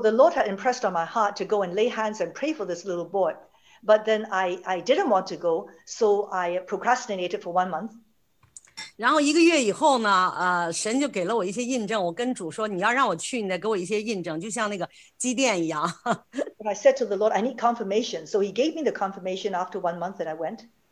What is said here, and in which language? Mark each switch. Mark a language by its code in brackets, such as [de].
[en] the Lord had impressed on my heart to go and lay hands and pray for this little boy, but then I didn't want to go, so I procrastinated for 1 month. [zh] 然后一个月以后呢，神就给了我一些印证。我跟主说，你要让我去，你得给我一些印证，就像那个祭奠一样。 But [en] I said to the Lord, I need confirmation. So he gave me the confirmation after 1 month that I went.